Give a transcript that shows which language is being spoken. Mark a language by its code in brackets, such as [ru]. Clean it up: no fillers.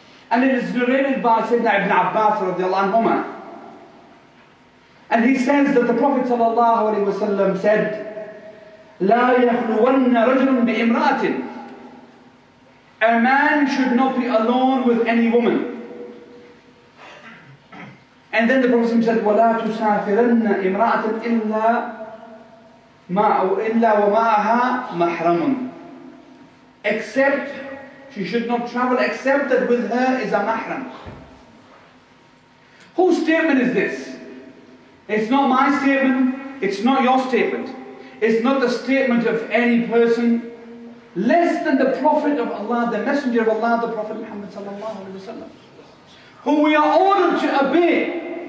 [en] And it is narrated by Sayyidina Ibn Abbas radiallahu anhu. And he says that the Prophet ﷺ said, [ar] لَا يَخْلُوَنَّ رَجْلٌ بِإِمْرَاتٍ. [en] A man should not be alone with any woman. And then the Prophet said, [ar] وَلَا تُسَافِرَنَّ إِمْرَاتٍ إِلَّا وَمَعَهَا مَحْرَمٌ. [en] Except, she should not travel except that with her is a mahram. Whose statement is this? It's not my statement, it's not your statement. It's not the statement of any person less than the Prophet of Allah, the Messenger of Allah, the Prophet Muhammad sallallahu alaihi wasallam, who we are ordered to obey.